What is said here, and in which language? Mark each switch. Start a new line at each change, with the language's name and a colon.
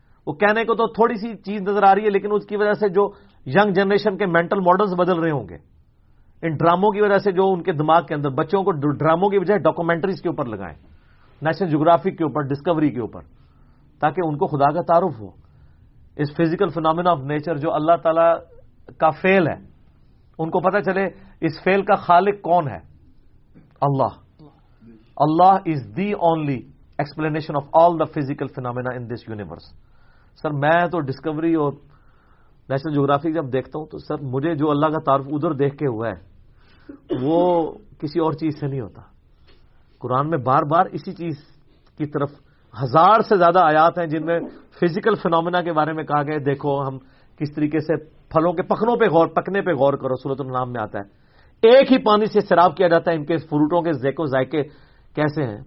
Urdu: وہ کہنے کو تو تھوڑی سی چیز نظر آ رہی ہے, لیکن اس کی وجہ سے جو ینگ جنریشن کے مینٹل ماڈلز بدل رہے ہوں گے ان ڈراموں کی وجہ سے جو ان کے دماغ کے اندر, بچوں کو ڈراموں کی بجائے ڈاکومنٹریز کے اوپر لگائیں, نیشنل جیوگرافی کے اوپر, ڈسکوری کے اوپر, تاکہ ان کو خدا کا تعارف ہو. اس فزیکل فینومینا آف نیچر جو اللہ تعالی کا فعل ہے, ان کو پتہ چلے اس فعل کا خالق کون ہے, اللہ.
English: Allah is the only explanation of all the physical phenomena in this universe.
Urdu: سر میں تو ڈسکوری اور نیشنل جیوگرافی جب دیکھتا ہوں تو سر مجھے جو اللہ کا تعارف ادھر دیکھ کے ہوا ہے وہ کسی اور چیز سے نہیں ہوتا. قرآن میں بار بار اسی چیز کی طرف ہزار سے زیادہ آیات ہیں جن میں فزیکل فینومینا کے بارے میں کہا گیا, دیکھو ہم کس طریقے سے پھلوں کے پکنوں پہ غور, پکنے پہ غور کرو, سورۃ النام میں آتا ہے, ایک ہی پانی سے سراب کیا جاتا ہے ان کے فروٹوں کے, دیکھو ذائقے کیسے ہیں.